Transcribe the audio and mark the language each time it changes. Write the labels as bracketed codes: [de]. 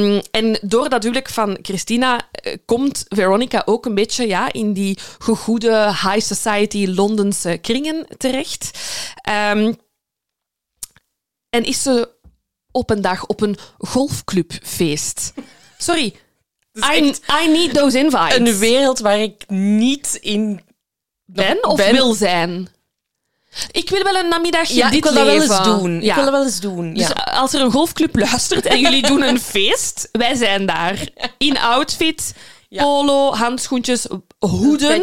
[nl] En door dat huwelijk van Christina komt Veronica ook een beetje in die gegoede high society Londense kringen terecht. En is ze op een dag op een golfclubfeest. [en] Sorry, I need those invites. [nl] Een wereld waar ik niet in ben. Wil zijn. Ik wil wel een namiddagje dit leven. Ik wil dat wel eens doen. Dus als er een golfclub luistert en jullie doen een feest, wij zijn daar. In outfit, polo, handschoentjes, hoeden.